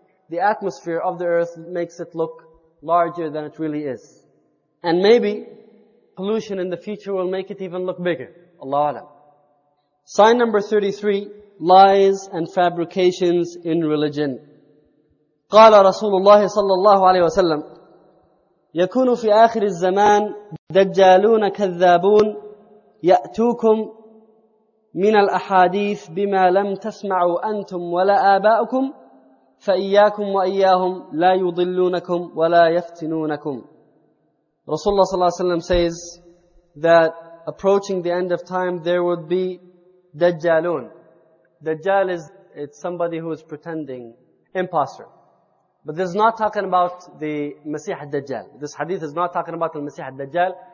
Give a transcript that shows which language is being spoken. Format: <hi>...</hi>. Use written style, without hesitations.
<en>The atmosphere of the earth makes it look larger than it really is. And maybe pollution in the future will make it even look bigger. Allahu alam. Sign number 33, lies and fabrications in religion.</en> <ar>قال رسول الله صلى الله عليه وسلم يكون في آخر الزمان دجالون كذابون يأتوكم من الأحاديث بما لم تسمعوا أنتم ولا آباؤكم فإياكم وإياهم لا يضلونكم ولا يفتنونكم.</ar> <en>Rasulullah صلى الله عليه وسلم says that approaching the end of time there would be دجالون. Dajjal is it's somebody who is pretending, imposter. But this is not talking about the Masih al-Dajjal. This hadith is not talking about the Masih al-Dajjal.</en>